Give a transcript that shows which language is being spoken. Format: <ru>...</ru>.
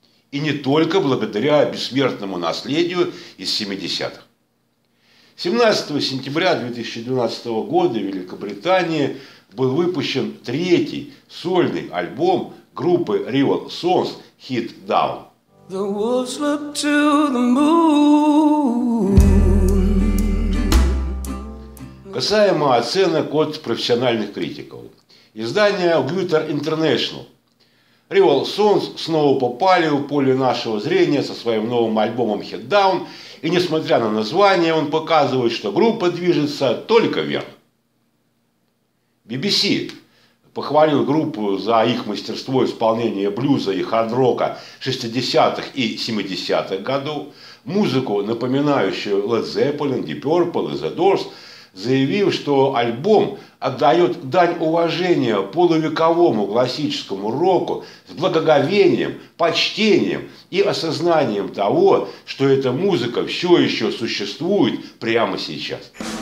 <ru>И не только благодаря бессмертному наследию из 70-х. 17 сентября 2012 года в Великобритании был выпущен третий сольный альбом группы Rival Sons «Hit Down».</ru> <en>The wolves look to the moon.</en> <ru>Касаемо оценок от профессиональных критиков. Издание Guitar International. Rival Sons снова попали в поле нашего зрения со своим новым альбомом «Hit Down». И несмотря на название, он показывает, что группа движется только вверх. BBC похвалил группу за их мастерство исполнения блюза и хард-рока 60-х и 70-х годов, музыку, напоминающую Led Zeppelin, Deep Purple и The Doors, заявив, что альбом отдает дань уважения полувековому классическому року с благоговением, почтением и осознанием того, что эта музыка все еще существует прямо сейчас.</ru>